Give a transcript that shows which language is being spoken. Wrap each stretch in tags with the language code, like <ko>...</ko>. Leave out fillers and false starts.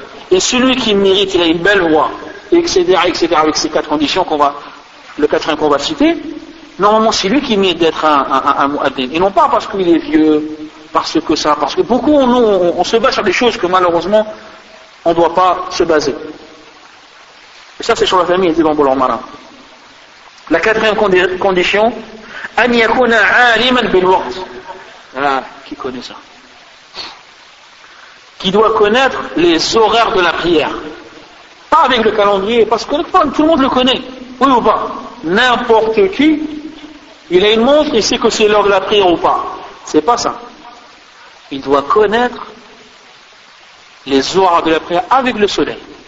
<fr>Et celui qui mérite, il a une belle voix, etc., etc., avec ces quatre conditions qu'on va, le quatrième qu'on va citer, normalement c'est lui qui mérite d'être un mu'adhin. Et non pas parce qu'il est vieux, parce que ça, parce que beaucoup, nous, on se base sur des choses que malheureusement, on ne doit pas se baser. Et ça, c'est sur la famille, c'est dans Boulon Marin. La quatrième condition,</fr> <ar>أن يكون عالما بالوقت.</ar> <fr>Voilà, qui connaît ça. Qui doit connaître les horaires de la prière. Pas avec le calendrier, parce que tout le monde le connaît. Oui ou pas. N'importe qui, il a une montre, il sait que c'est l'heure de la prière ou pas. C'est pas ça. Il doit connaître les horaires de la prière avec le soleil.</fr>